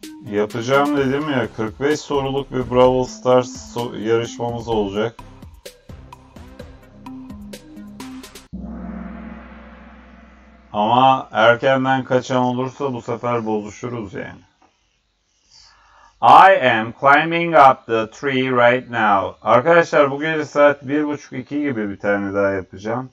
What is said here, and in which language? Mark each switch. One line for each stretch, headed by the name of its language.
Turkish: Yapacağım dedim ya, 45 soruluk bir Brawl Stars yarışmamız olacak. Ama erkenden kaçan olursa bu sefer bozuşuruz yani.
English: I am climbing up the tree right now.
Turkish: Arkadaşlar bu gece saat 1.30-2 gibi bir tane daha yapacağım.